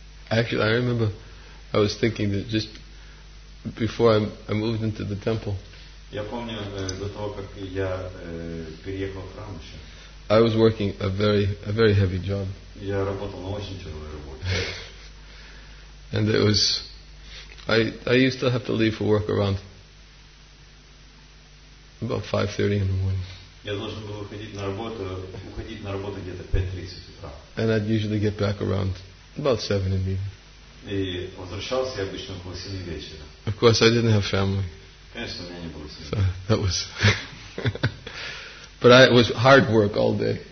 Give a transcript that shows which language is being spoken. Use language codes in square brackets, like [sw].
[en] Actually, I remember I was thinking that just before I moved into the temple, [ru] я помню, до того, как я переехал в храм еще, [en] I was working a very heavy job. [ru] Я работал на очень тяжелой работе. [en] And it was, I used to have to leave for work around about 5:30 in the morning. [ru] Я должен был уходить на работу где-то 5:30 утра. [en] And I'd usually get back around about 7 in the evening. [ru] И возвращался я обычно около 7 вечера. [en] Of course, I didn't have family. [ru] Конечно, у меня не было семьи. [en] So that was, but it was hard work all day.